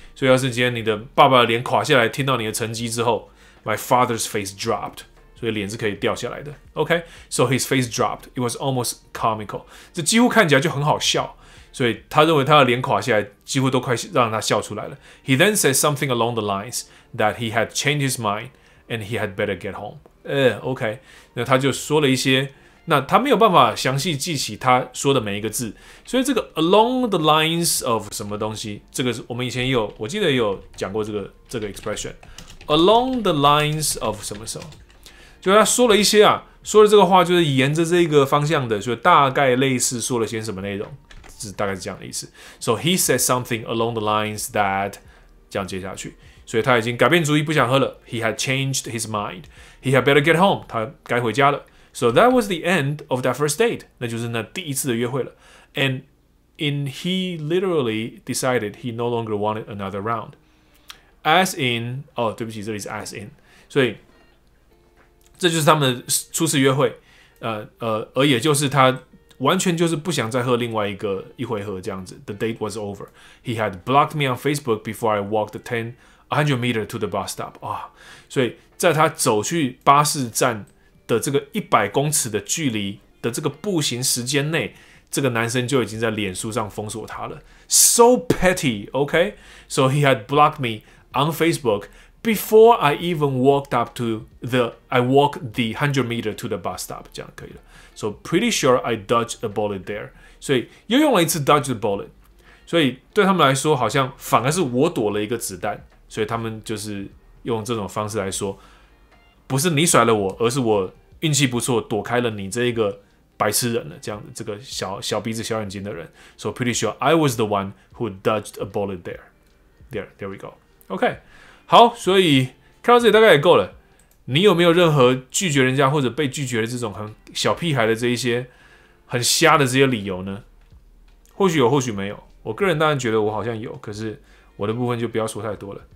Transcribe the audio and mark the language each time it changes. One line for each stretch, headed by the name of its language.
Chinese: 所以要是今天你的爸爸脸垮下来，听到你的成绩之后 ，
English: my father's face dropped。
Chinese: 所以脸是可以掉下来的 ，OK?
English: So his face dropped. It was almost comical.
Chinese: 这几乎看起来就很好笑，所以他认为他的脸垮下来，几乎都快让他笑出来了。
English: He then said something along the lines that he had changed his mind and he had better get home.
Chinese: OK? 那他就说了一些，那他没有办法详细记起他说的每一个字，所以这个
English: along the lines of
Chinese: 什么东西，这个我们以前也有，我记得也有讲过这个
English: expression along the lines of
Chinese: 什么时候。就他说了一些啊，说了这个话就是沿着这个方向的，所以大概类似说了些什么内容，是大概是这样的意思。
English: So he said something along the lines that
Chinese: 这样接下去，所以他已经改变主意不想喝了。
English: He had changed his mind. He had better get home.
Chinese: 他该回家了。
English: So that was the end of that first date.
Chinese: 那就是那第一次的约会了。
English: And in he literally decided he no longer wanted another round. As in，
Chinese: 哦，对不起，这里是
English: as in，
Chinese: 所以。这就是他们初次约会，而也就是他完全就是不想再喝另外一回合这样子。
English: The date was over. He had blocked me on Facebook before I walked 100 meters to the bus stop.
Chinese: 啊、哦，所以在他走去巴士站的这个100公尺的距离的这个步行时间内，这个男生就已经在脸书上封锁他了。
English: So petty, okay? So he had blocked me on Facebook. Before I even walked up to the, I walked the 100 meter to the bus stop.
Chinese: 这样可以了。
English: So pretty sure I dodged a bullet there.
Chinese: 所以又用了一次
English: dodge the bullet.
Chinese: 所以对他们来说，好像反而是我躲了一个子弹。所以他们就是用这种方式来说，不是你甩了我，而是我运气不错躲开了你这一个白痴人了。这样的这个小鼻子小眼睛的人。
English: So pretty sure I was the one who dodged a bullet there. There we go. Okay.
Chinese: 好，所以看到这里大概也够了。你有没有任何拒绝人家或者被拒绝的这种很小屁孩的这一些很瞎的这些理由呢？或许有，或许没有。我个人当然觉得我好像有，可是我的部分就不要说太多了。